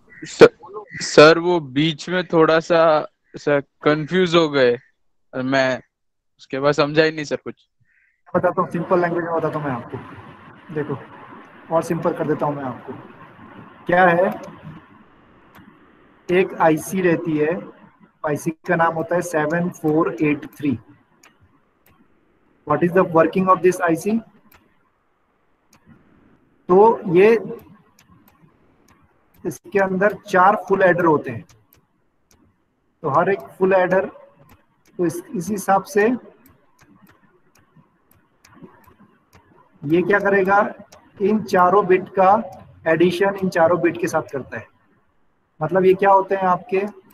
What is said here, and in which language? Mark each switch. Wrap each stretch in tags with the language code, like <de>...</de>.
<hi>Sir, वो बीच में थोड़ा सा कंफ्यूज हो गए, मैं उसके बाद समझा ही नहीं सर कुछ, बताता हूँ सिंपल लैंग्वेज में, बताता हूँ मैं आपको, देखो और सिंपल कर देता हूँ मैं आपको, क्या है, एक आईसी रहती है, आईसी का नाम होता है 7483.</hi> <en>What is the working of this IC?</en> <hi>तो ये इसके अंदर चार फुल एडर होते हैं, तो हर एक फुल एडर, तो इस हिसाब से ये क्या करेगा, इन चारों बिट का एडिशन इन चारों बिट के साथ करता है, मतलब ये क्या होते हैं आपके,</hi>